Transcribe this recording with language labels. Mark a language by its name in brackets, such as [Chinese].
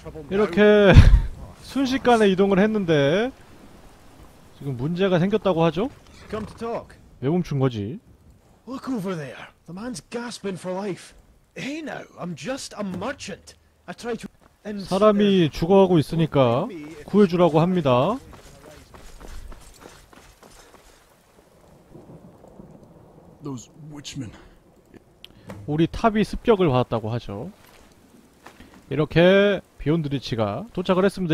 [Korean] 이렇게 순식간에 이동을 했는데 지금 문제가 생겼다고 하죠. 왜 멈춘 거지? [English] Look over there. The man's gasping for life. Hey now, I'm just a merchant. I try to. [Korean] 사람이 죽어가고 있으니까 구해주라고 합니다. 우리 탑이 습격을 받았다고 하죠. 이렇게 비욘드 리치가 도착을 했습니다.